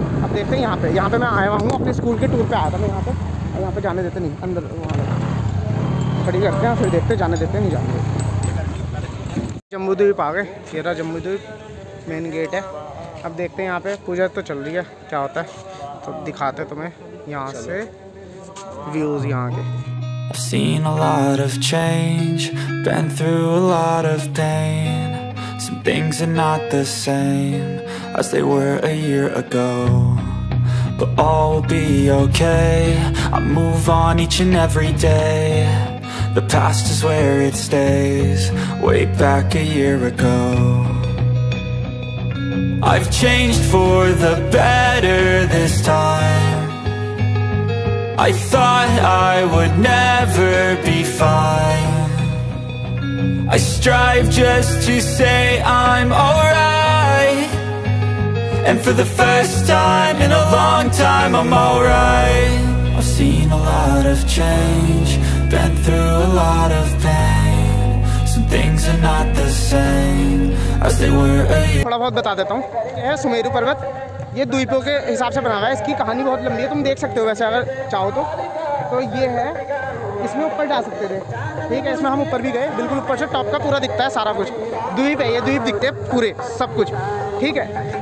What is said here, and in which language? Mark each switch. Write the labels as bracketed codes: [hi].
[hi] अब देखते हैं यहाँ पे मैं आया हुआ हूँ, अपने स्कूल के टूर पे आया था मैं यहाँ पे, और यहाँ पे जाने देते नहीं अंदर, वहाँ खड़ी करते हैं फिर देखते, जाने देते नहीं जाने देते। जम्मू देवी पा गए, फेरा जम्मू देवी मेन गेट है। अब देखते हैं यहाँ पे पूजा तो चल रही है, क्या होता है तो दिखाते तुम्हें यहाँ से व्यूज़ यहाँ के। [en] I've seen a lot of change, been through a lot of pain. Some things are not the same as they were a year ago. But all will be okay, I move on each and every day. The past is where it stays, way back a year ago. I've changed for the better this time. I thought I would never be fine. I strive just to say I'm alright. And for the first time in a long time I'm alright. I've seen a lot of change, been through a lot of pain. Some things are not the same as they were a year. [hi] थोड़ा बहुत बता देता हूँ, यह सुमेरु पर्वत ये द्वीपों के हिसाब से बना हुआ है। इसकी कहानी बहुत लंबी है, तुम देख सकते हो वैसे अगर चाहो तो ये है, इसमें ऊपर जा सकते थे ठीक है। इसमें हम ऊपर भी गए, बिल्कुल ऊपर से टॉप का पूरा दिखता है सारा कुछ, द्वीप है ये, द्वीप दिखते हैं पूरे सब कुछ ठीक है।